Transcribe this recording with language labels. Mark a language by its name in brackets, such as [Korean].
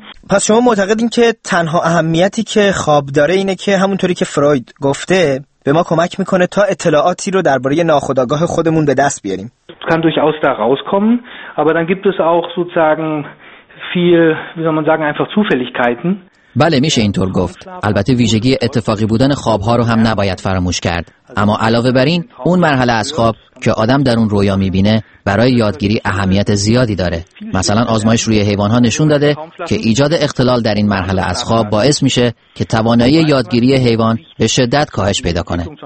[Persian] پس شما معتقدین که تنها اهمیتی که خواب داره اینه که همونطوری که فروید گفته به ما کمک میکنه تا اطلاعاتی رو درباره ناخودآگاه خودمون به دست بیاریم. [German] kann durchaus da rauskommen, aber dann gibt es auch sozusagen viel, wie soll man sagen, einfach Zufälligkeiten. [Persian] بله میشه اینطور گفت. البته ویژگی اتفاقی بودن خوابها رو هم نباید فراموش کرد. اما علاوه بر این، اون مرحله از خواب که آدم در اون رویا میبینه برای یادگیری اهمیت زیادی داره. مثلا آزمایش روی حیوانها نشون داده که ایجاد اختلال در این مرحله از خواب باعث میشه که توانایی یادگیری حیوان به شدت کاهش پیدا کنه.